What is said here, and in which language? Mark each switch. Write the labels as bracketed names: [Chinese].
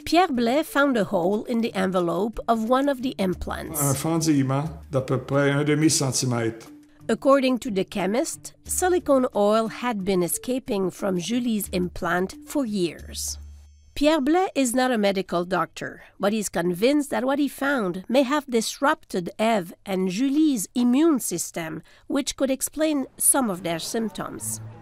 [English] Pierre Blais found a hole in the envelope of one of the implants. [French] Un fendillement d'à peu près un demi-centimètre. [English] According to the chemist, silicone oil had been escaping from Julie's implant for years. Pierre Blais is not a medical doctor, but he's convinced that what he found may have disrupted Eve and Julie's immune system, which could explain some of their symptoms.